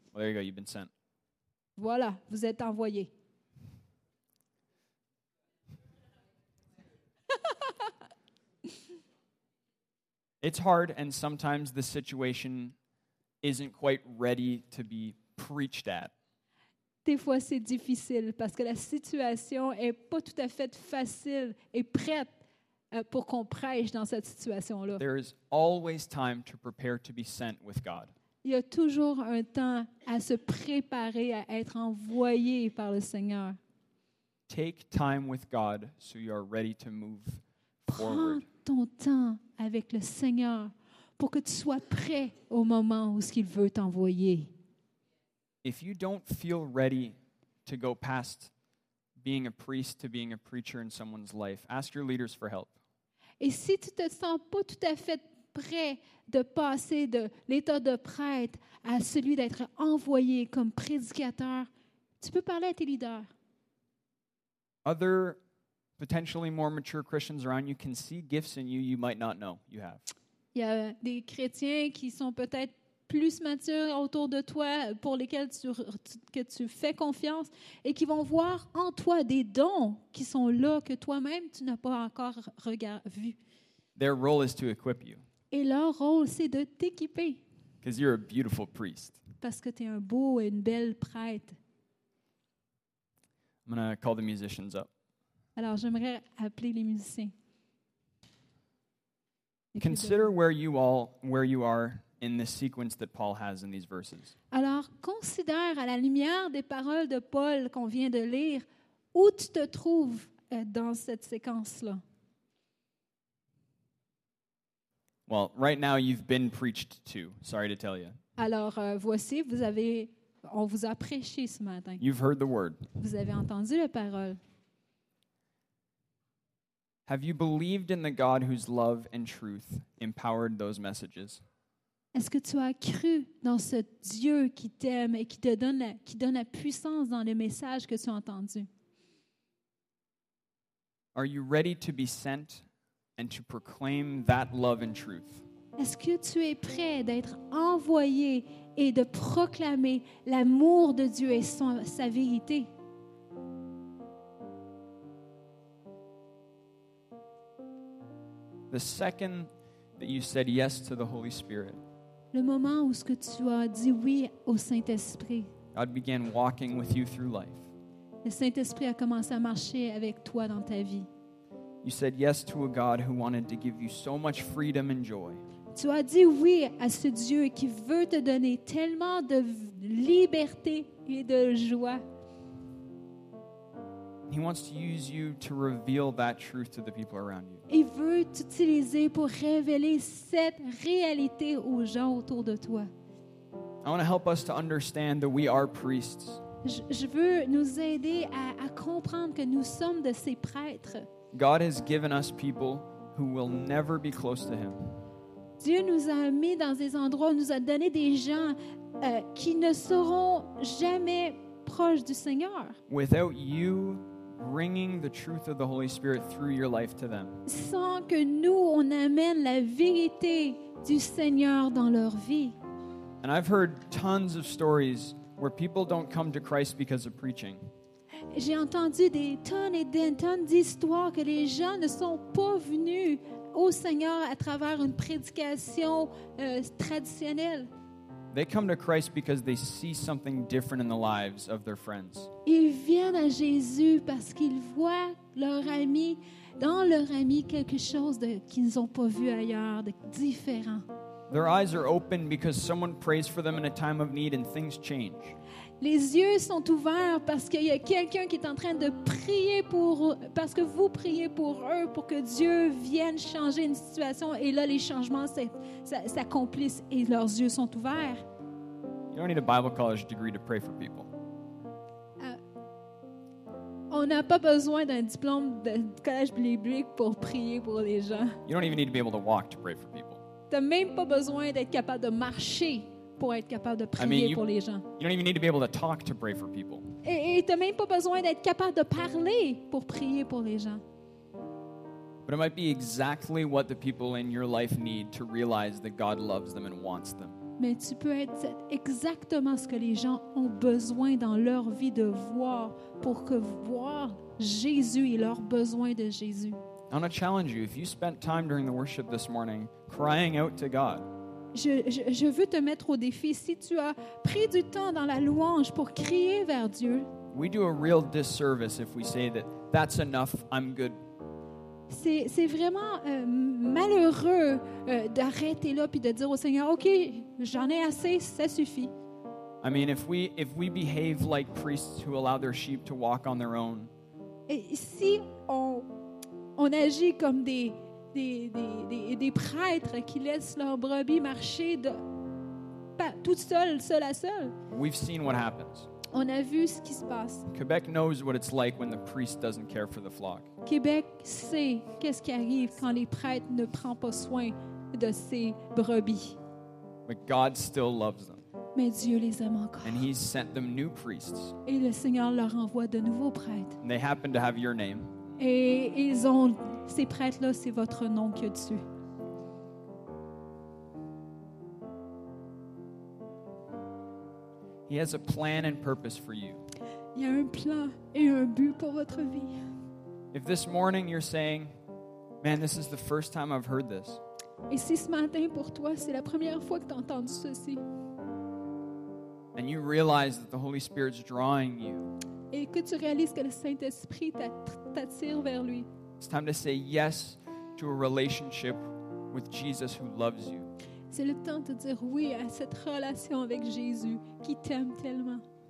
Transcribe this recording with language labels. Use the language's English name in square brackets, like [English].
[English] Well, there you go, you've been sent. [French] Voilà, vous êtes envoyé. [English] It's hard, and sometimes the situation isn't quite ready to be preached at. [French] Des fois, c'est difficile parce que la situation n'est pas tout à fait facile et prête pour qu'on prêche dans cette situation-là. [English] There is always time to prepare to be sent with God. [French] Il y a toujours un temps à se préparer à être envoyé par le Seigneur. [English] Take time with God so you are ready to move forward. [French] Prends ton temps avec le Seigneur pour que tu sois prêt au moment où il veut t'envoyer. [English] If you don't feel ready to go past being a priest to being a preacher in someone's life, ask your leaders for help. [French] Et si tu te sens pas tout à fait prêt de passer de l'état de prêtre à celui d'être envoyé comme prédicateur, tu peux parler à tes leaders. [English] Other potentially more mature Christians around you can see gifts in you you might not know you have. [French] Il y a des chrétiens qui sont peut-être plus matures autour de toi, pour lesquelles tu fais confiance, et qui vont voir en toi des dons qui sont là, que toi-même, tu n'as pas encore vu. [English] Their role is to equip you. [French] Et leur rôle, c'est de t'équiper. [English] Because you're a beautiful priest. [French] Parce que tu es un beau et une belle prêtre. [English] I'm gonna call the musicians up. [French] Alors, j'aimerais appeler les musiciens. [English] Consider where you are in the sequence that Paul has in these verses. [French] Alors, considère à la lumière des paroles de Paul qu'on vient de lire, où tu te trouves dans cette séquence-là. [English] Well, right now you've been preached to. Sorry to tell you. [French] Alors, voici, on vous a prêché ce matin. [English] You've heard the word. [French] Vous avez entendu la parole. [English] Have you believed in the God whose love and truth empowered those messages? [French] Est-ce que tu as cru dans ce Dieu qui t'aime et qui donne la puissance dans le message que tu as entendu? [English] Are you ready to be sent and to proclaim that love and truth? [French] Est-ce que tu es prêt d'être envoyé et de proclamer l'amour de Dieu et sa vérité? [English] The second that you said yes to the Holy Spirit. [French] Le moment où ce que tu as dit oui au Saint-Esprit. [English] God began walking with you through life. [French] Le Saint-Esprit a commencé à marcher avec toi dans ta vie. [English] You said yes to a God who wanted to give you so much freedom and joy. [French] Tu as dit oui à ce Dieu qui veut te donner tellement de liberté et de joie. [English] He wants to use you to reveal that truth to the people around you. [French] Il veut t'utiliser pour révéler cette réalité aux gens autour de toi. [English] I want to help us to understand that we are priests. [French] Je veux nous aider à comprendre que nous sommes de ces prêtres. [English] God has given us people who will never be close to him. [French] Dieu nous a mis dans des endroits, nous a donné des gens qui ne seront jamais proches du Seigneur. [English] Without you bringing the truth of the Holy Spirit through your life to them. [French] Sans que nous on amène la vérité du Seigneur dans leur vie. [English] And I've heard tons of stories where people don't come to Christ because of preaching. [French] J'ai entendu des tonnes et des tonnes d'histoires que les gens ne sont pas venus au Seigneur à travers une prédication traditionnelle. [English] They come to Christ because they see something different in the lives of their friends. [French] Ils viennent à Jésus parce qu'ils voient leur ami dans leur ami quelque chose de qu'ils n'ont pas vu ailleurs, de différent. [English] Their eyes are open because someone prays for them in a time of need and things change. [French] Les yeux sont ouverts parce qu'il y a quelqu'un qui est en train de prier pour parce que vous priez pour eux pour que Dieu vienne changer une situation et là les changements s'accomplissent et leurs yeux sont ouverts. [English] You don't need a Bible college degree to pray for people. [French] On n'a pas besoin d'un diplôme de collège biblique pour prier pour les gens. [English] You don't even need to be able to walk to pray for people. [French] Tu n'as même pas besoin d'être capable de marcher pour être capable de prier pour les gens. [English] You don't even need to be able to talk to pray for people. [French] Et tu n'as même pas besoin d'être capable de parler pour prier pour les gens. [English] But it might be exactly what the people in your life need to realize that God loves them and wants them. [French] Mais tu peux être exactement ce que les gens ont besoin dans leur vie de voir pour que voir Jésus et leurs besoins de Jésus. [English] I want to challenge you, if you spent time during the worship this morning crying out to God, [French] je veux te mettre au défi, si tu as pris du temps dans la louange pour crier vers Dieu, [English] we do a real disservice if we say that that's enough, I'm good. [French] C'est vraiment malheureux d'arrêter là puis de dire au Seigneur, OK, j'en ai assez, ça suffit. [English] I mean, if we behave like priests who allow their sheep to walk on their own, [French] et si on agit comme des prêtres qui laissent leurs brebis marcher toutes seules, seules à seules, [English] we've seen what happens. [French] On a vu ce qui se passe. [English] Quebec knows what it's like when the priest doesn't care for the flock. [French] Québec sait qu'est-ce qui arrive quand les prêtres ne prennent pas soin de ses brebis. [English] But God still loves them. [French] Mais Dieu les aime encore. [English] And he's sent them new priests. [French] Et le Seigneur leur envoie de nouveaux prêtres. [English] And they happen to have your name. [French] Et ils ont ces prêtres-là, c'est votre nom qui est dessus. [English] He has a plan and purpose for you. [French] Il y a un plan et un but pour votre vie. [English] If this morning you're saying, man, this is the first time I've heard this. [French] Et si ce matin pour toi, c'est la première fois que tu entends ceci. [English] And you realize that the Holy Spirit's drawing you. [French] Et que tu réalises que le Saint-Esprit t'attire vers lui. [English] It's time to say yes to a relationship with Jesus who loves you. [French] C'est le temps de dire oui à cette relation avec Jésus qui t'aime tellement.